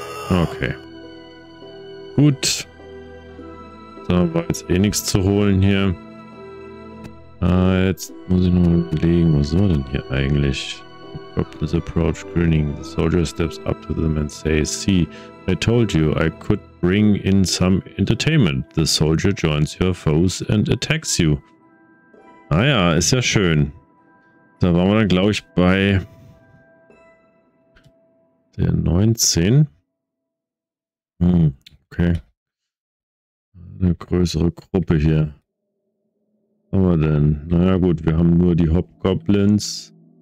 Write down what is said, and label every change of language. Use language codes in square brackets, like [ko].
[de] Okay. Gut. Da war jetzt eh nichts zu holen hier. Jetzt muss ich nochmal überlegen, was soll denn hier eigentlich? [en] Purpose approach grinning. The soldier steps up to them and says, "See, I told you I could bring in some entertainment. The soldier joins your foes and attacks you." [de] Ah ja, ist ja schön. Da waren wir dann, glaube ich, bei der 19. Okay. Eine größere Gruppe hier. Was haben wir denn? Naja gut, wir haben nur die Hobgoblins.